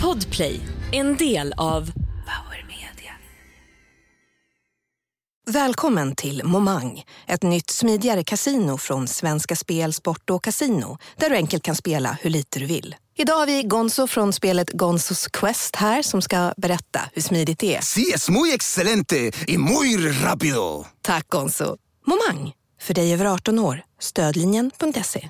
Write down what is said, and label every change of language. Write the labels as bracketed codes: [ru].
[sv] Play. En del av Power Media. Välkommen till Momang, ett nytt smidigare kasino från Svenska Spel, Sport och Casino, där du enkelt kan spela hur lite du vill. Idag har vi Gonzo från spelet Gonzos Quest här som ska berätta hur smidigt det är. [es] Sí, es muy excelente y muy rápido. [sv] Tack Gonzo. Momang, för dig över 18 år. Stödlinjen.se.